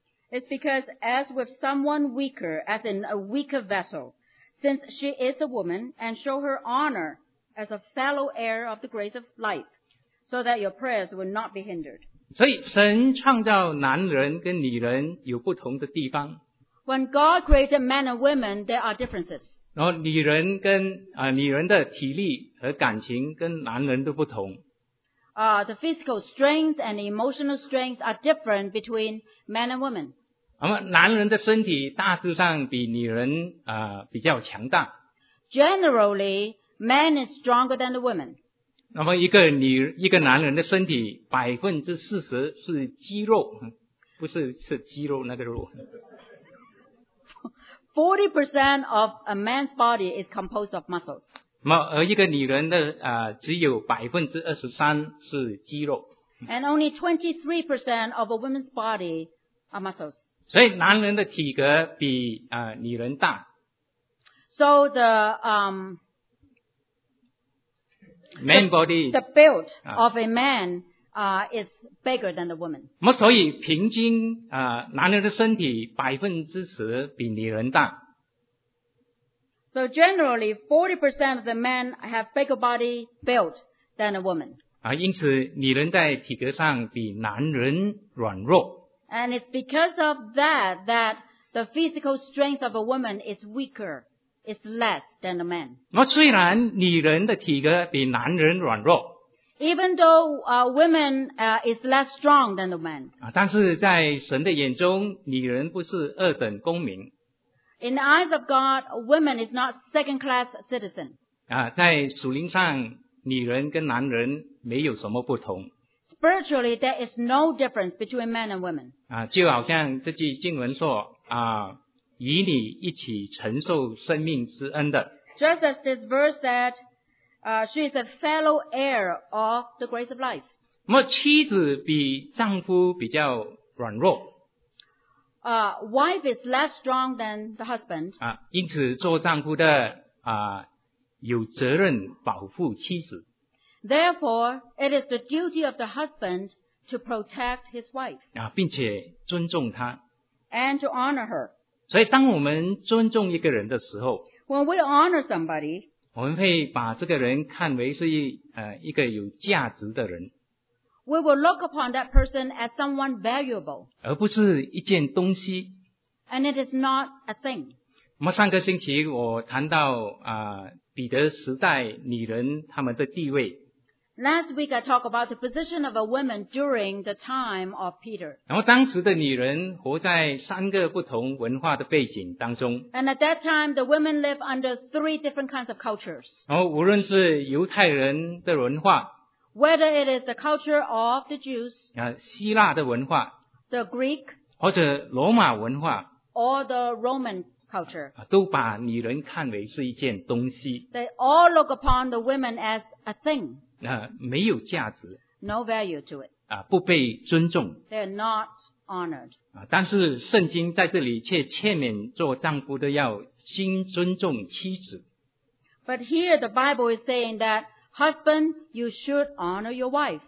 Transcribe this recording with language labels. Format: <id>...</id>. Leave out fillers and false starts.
<en>It's because as with someone weaker, as in a weaker vessel, since she is a woman, and show her honor as a fellow heir of the grace of life, so that your prayers will not be hindered.</en> <zh>所以神创造男人跟女人有不同的地方。</zh> <en>When God created men and women, there are differences.</en> <zh>然后女人的体力和感情跟男人都不同。</zh> <en>The physical strength and emotional strength are different between men and women.</en> <zh>男人的身体大致上比女人比较强大。</zh> <en>Generally, men is stronger than the women.</en> <zh>那么一个男人的身体 40% 是肌肉，不是肌肉那个肉。</zh> <en>40% of a man's body is composed of muscles.</en> <zh>而一个女人的只有 23% 是肌肉。</zh> <en>And only 23% of a woman's body are muscles.</en> <zh>所以男人的体格比女人大。</zh> <en>So the, man body, the build of a man, is bigger than the woman.</en> <zh>所以平均男人的身体 10% 比女人大。</zh> <en>So generally, 40% of the men have bigger body built than a woman.</en> <zh>因此女人在体格上比男人软弱。</zh> <en>And it's because of that the physical strength of a woman is weaker, is less than a man.</en> <zh>虽然女人的体格比男人软弱。</zh> <en>Even though women is less strong than a man.</en> <zh>但是在神的眼中，女人不是二等公民。</zh> <en>In the eyes of God, a woman is not second-class citizen.</en> <zh>在属灵上，女人跟男人没有什么不同。</zh> <en>Spiritually, there is no difference between men and women.</en> <zh>就好像这句经文说，与你一起承受生命之恩的。</zh> <en>Just as this verse said, she is a fellow heir of the grace of life.</en> <zh>那妻子比丈夫比较软弱。</zh> <en>Wife is less strong than the husband.</en> <zh>因此做丈夫的有责任保护妻子。</zh> <en>Therefore, it is the duty of the husband to protect his wife.</en> <zh>并且尊重她。</zh> <en>And to honor her.</en> <zh>所以当我们尊重一个人的时候，</zh> <en>When we honor somebody,</en> <zh>我们会把这个人看为是一个有价值的人。</zh> <en>We will look upon that person as someone valuable.</en> <zh>而不是一件东西。</zh> <en>And it is not a thing.</en> <zh>上个星期我谈到彼得时代女人她们的地位。</zh> <en>Last week I talked about the position of a woman during the time of Peter.</en> <zh>然后当时的女人活在三个不同文化的背景当中。</zh> <en>And at that time, the women lived under three different kinds of cultures.</en> <zh>然后无论是犹太人的文化。</zh> <en>Whether it is the culture of the Jews.</en> <zh>希腊的文化。</zh> <en>The Greek.</en> <zh>或者罗马文化。</zh> <en>Or the Roman culture.</en> <zh>都把女人看为是一件东西。</zh> <en>They all look upon the women as a thing.</en> <zh>没有价值</zh> <en>no value to it.</en> <zh>不被尊重</zh> <en>They're not honored.</en> <zh>但是圣经在这里却劝勉做丈夫的要心尊重妻子</zh> <en>But here the Bible is saying that husband, you should honor your wife.</en>